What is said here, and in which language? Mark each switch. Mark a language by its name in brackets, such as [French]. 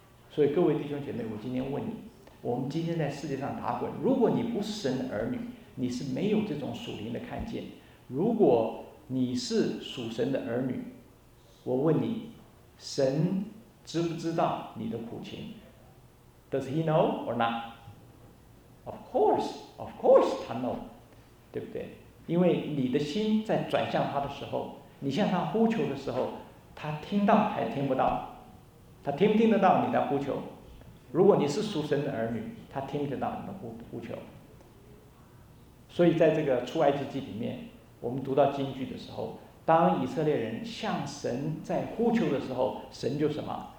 [Chinese] 所以各位弟兄姐妹，我今天问你，我们今天在世界上打滚，如果你不是神的儿女，你是没有这种属灵的看见。如果你是属神的儿女，我问你，神知不知道你的苦情？ [English] Does he know or not? Of course, [Chinese] 他 [English] know， [Chinese] 对不对？因为你的心在转向他的时候，你向他呼求的时候，他听到还听不到？他听不听得到你的呼求？如果你是属神的儿女，他听得到你的 呼求。所以在这个出埃及记里面，我们读到经句的时候，当以色列人向神在呼求的时候，神就什么？